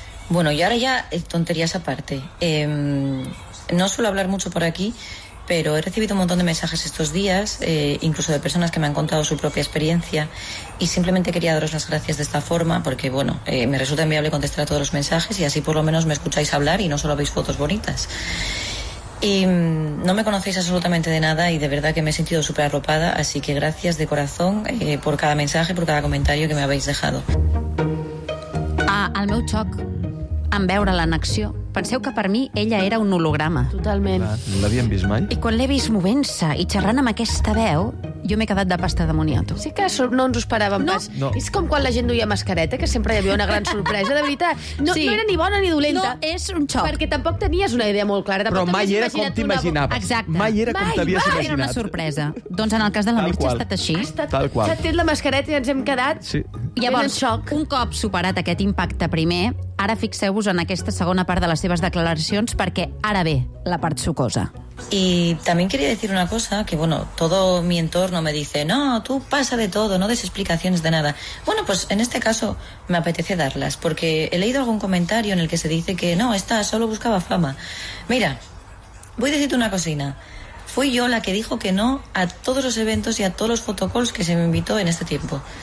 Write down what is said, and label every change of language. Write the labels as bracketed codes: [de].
[es] Bueno, y ahora ya tonterías aparte. No suelo hablar mucho por aquí, pero he recibido un montón de mensajes estos días, incluso de personas que me han contado su propia experiencia, y simplemente quería daros las gracias de esta forma, porque, bueno, me resulta inviable contestar a todos los mensajes y así por lo menos me escucháis hablar y no solo veis fotos bonitas. Y no me conocéis absolutamente de nada y de verdad que me he sentido súper arropada, así que gracias de corazón por cada mensaje, por cada comentario que me habéis dejado. [ca] Al meu xoc, en veure l'annexió, penseu que per mi ella era un holograma. Totalment. No l'havíem vist mai. I quan l'he vist movent-se i xerrant amb aquesta veu, jo m'he quedat de pasta de moniato. Sí que no ens ho esperàvem pas. No. És com quan la gent duia mascareta, que sempre hi havia una gran sorpresa, de veritat. No, sí. No era ni bona ni dolenta. No, és un xoc. Perquè tampoc tenies una idea molt clara. Però mai era com t'imaginaves. Exacte. Mai era com t'havies imaginat. Era una sorpresa. Doncs en el cas de la Merche ha estat així. Tal qual. S'ha tret la mascareta i ens hem quedat... Sí. Llavors, un cop superat aquest impacte primer, ara fixeu-vos en aquesta segona part de les seves declaracions, perquè ara ve la part sucosa. [es] Y también quería decir una cosa, que bueno, todo mi entorno me dice, no, tú pasa de todo, no des explicaciones de nada. Bueno, pues en este caso me apetece darlas, porque he leído algún comentario en el que se dice que no, esta solo buscaba fama. Mira, voy a decirte una cosina. Fui yo la que dijo que no a todos los eventos y a todos los fotocalls que se me invitó en este tiempo.